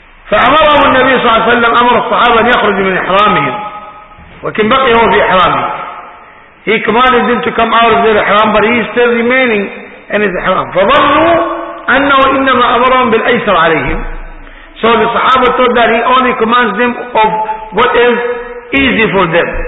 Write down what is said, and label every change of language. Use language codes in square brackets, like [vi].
[ar] فأمرهم النبي صلى الله عليه وسلم أمر الصحابة أن يخرجوا من إحرامهم, وكن بقي هو في إحرامهم. [en] He commanded them to come out of their ihram, but he is still remaining in his ihram. [ar] فظنوا أنه إنما أمرهم بالأيسر عليهم. [en] So the صحابة thought that he only commands them of what is easy for them.